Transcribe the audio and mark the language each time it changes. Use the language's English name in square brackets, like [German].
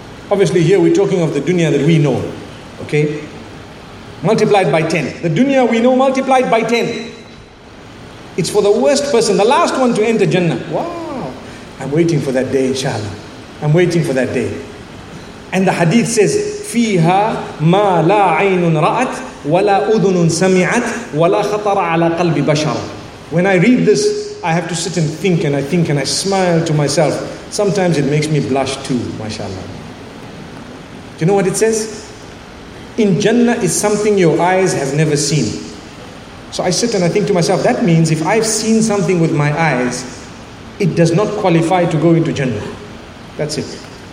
[English] Obviously here we're talking of the dunya that we know. Okay? Multiplied by 10. The dunya we know multiplied by 10. It's for the worst person, the last one to enter Jannah. Wow! I'm waiting for that day, inshallah. I'm waiting for that day. And the hadith says, [Arabic] فِيهَا مَا لَا عَيْنٌ رَأَتْ وَلَا أُذُنٌ سَمِعَتْ وَلَا خَطَرَ عَلَى قَلْبِ بَشَرٍ. [English] When I read this, I have to sit and think, and I think, and I smile to myself. Sometimes it makes me blush too, mashallah. Do you know what it says? In Jannah is something your eyes have never seen. So I sit and I think to myself, that means if I've seen something with my eyes, it does not qualify to go into Jannah. That's it.